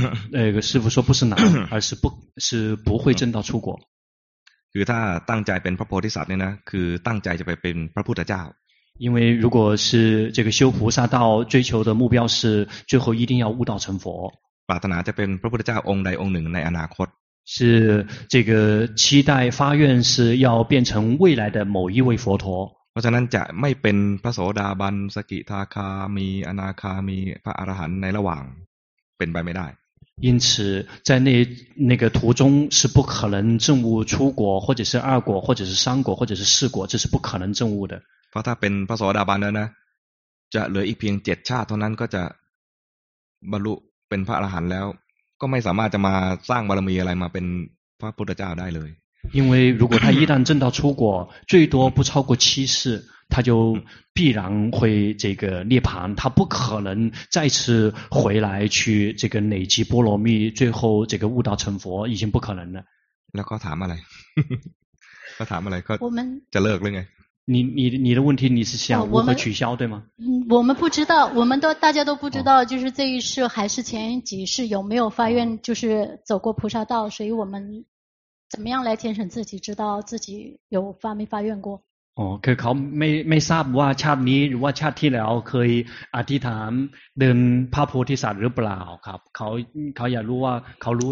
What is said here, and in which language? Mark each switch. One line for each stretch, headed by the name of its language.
Chinese: 那个师父说不是难而是不会证到出国
Thai: คือถ้าตั้งใจเป็นพระโพธิสัตว์เนี่ยนะคือตั้งใจจะไปเป็นพระพุทธเจ้า
Chinese: 因为如果是这个修菩萨道追求的目标是最后一定要悟道成佛
Thai: ปรารถนาจะเป็นพระพุทธเจ้าองค์ใดองค์หนึ่งในอนาคต
Chinese: 是这个期待发愿是要变成未来的某一位佛陀
Thai: เพราะฉะนั้นจะไม่เป็นพระโสดาบันสกิทาคามีอนาคามีพระอรหันต์ในระหว่างเป็นไปไม่ได้
Chinese: 因此在那个途中是不可能证悟出果或者是二果或者是三果或者是四果这是不可能证悟的
Thai: เพราะถ้าเป็นพระโสดาบันแล้วนะจะเหลืออีกเพียง7ชาติเท่านั้นก็จะบรรลุเป็นพระอรหันต์แล้วก็ไม่สามารถจะมาสร้างบารมีอะไรมาเป็นพระพุทธเจ้าได้เลย
Chinese: 因为如果他一旦证到出果最多不超过七世他就必然会这个涅槃他不可能再次回来去这个累积波罗蜜最后这个悟道成佛已经不可能了
Thai: แล้วเขาถามอะไรเขาถามอะไรเขา จะเลิกเลย จะเลิกเลยไง
Chinese: 你的问题你是想如何取消对吗我们不知道我们都大家都不知道就是这一世还是前几世有没有发愿就是走过菩萨道所以我们怎么样来检审自己知道自己有发没发愿过
Thai: 哦คือเขาไม่ทราบว่าชาตินี้หรือว่าชาติที่แล้วเคยอธิษฐานเดินพระโพธิสัตว์หรือเปล่าครับเขาอยากรู้ว่าเขารู้